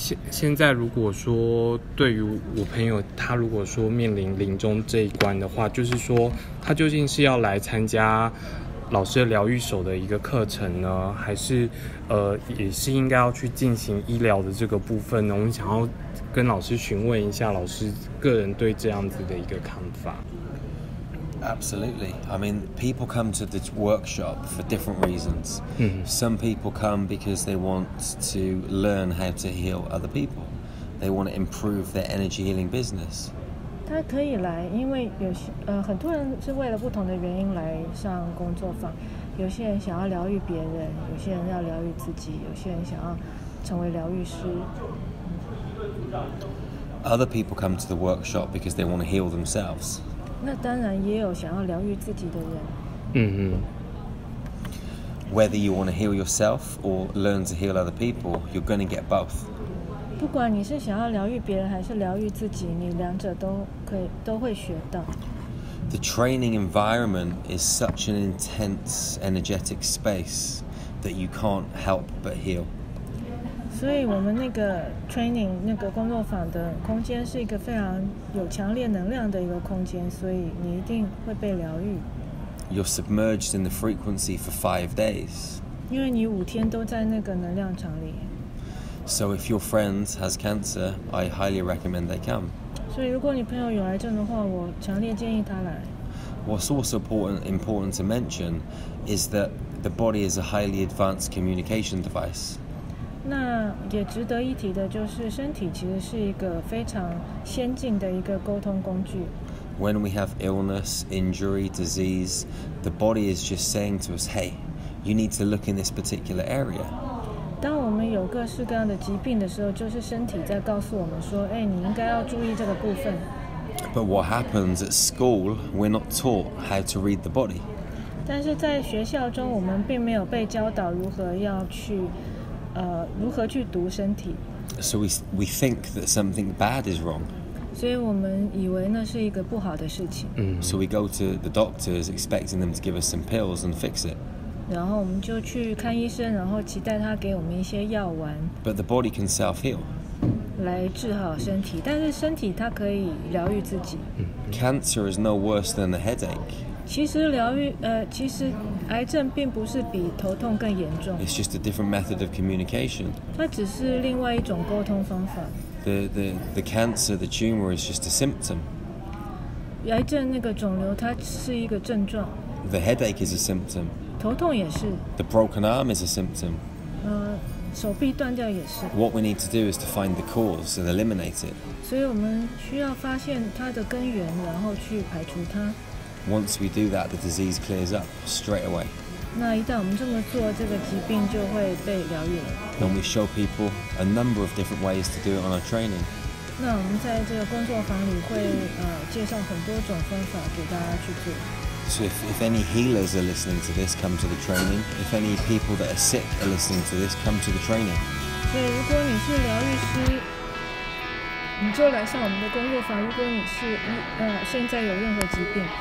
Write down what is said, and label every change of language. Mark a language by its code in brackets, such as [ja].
[zh] 现在如果说对于我朋友他如果说面临临终这一关的话，就是说他究竟是要来参加老师的疗愈手的一个课程呢，还是也是应该要去进行医疗的这个部分呢？我想要跟老师询问一下老师个人对这样子的一个看法。 [en] Absolutely. I mean, people come to the workshop for different reasons. Some people come because they want to learn how to heal other people. They want to improve their energy healing business. [zh] 他可以来，因为有些很多人是为了不同的原因来上工作坊。有些人想要疗愈别人，有些人要疗愈自己，有些人想要成为疗愈师。 [en] Other people come to the workshop because they want to heal themselves. [zh] 那当然也有想要疗愈自己的人。 [en] Whether you want to heal yourself or learn to heal other people, you're going to get both. [zh] 不管你是想要疗愈别人还是疗愈自己，你两者都可以都会学到。 [en] The training environment is such an intense, energetic space that you can't help but heal. [zh] 所以我们那个 training 那个工作坊的空间是一个非常有强烈能量的一个空间，所以你一定会被疗愈。 [en] You're submerged in the frequency for 5 days. [zh] 因为你五天都在那个能量场里。 [en] So if your friend has cancer, I highly recommend they come. [zh] 所以如果你朋友有癌症的话，我强烈建议他来。 [en] What's also important to mention is that the body is a highly advanced communication device. [zh] 那也值得一提的就是，身体其实是一个非常先进的一个沟通工具。 [en] When we have illness, injury, disease, the body is just saying to us, "Hey, you need to look in this particular area." [zh] 当我们有各式各样的疾病的时候，就是身体在告诉我们说，哎，你应该要注意这个部分。 [en] But what happens at school? We're not taught how to read the body. [zh] 但是在学校中，我们并没有被教导如何要去，如何去读身体。 [en] So we think that something bad is wrong. [zh] 所以我们以为那是一个不好的事情。 [en] So we go to the doctors, expecting them to give us some pills and fix it. [zh] 然后我们就去看医生，然后期待他给我们一些药丸。 [en] But the body can self-heal. [zh] 来治好身体，但是身体它可以疗愈自己。 [en] Cancer is no worse than a headache. [zh] 其实癌症并不是比头痛更严重。 [en] It's just a different method of communication. [zh] 它只是另外一种沟通方法。 [en] The cancer, the tumor is just a symptom. [zh] 癌症那个肿瘤它是一个症状。 [en] The headache is a symptom. [zh] 头痛也是。 [en] The broken arm is a symptom. [zh] 手臂断掉也是。 [en] What we need to do is to find the cause and eliminate it. [zh] 所以我们需要发现它的根源，然后去排除它。 [en] Once we do that, the disease clears up straight away. [zh] 那一旦我们这么做，这个疾病就会被疗愈了。 [en] And we show people a number of different ways to do it on our training. [zh] 那我们在这个工作坊里会介绍很多种方法给大家去做。 [en] So if any healers are listening to this, come to the training. If any people that are sick are listening to this, come to the training. [zh] 所以如果你是疗愈师，你就来上我们的工作坊。如果你是现在有任何疾病，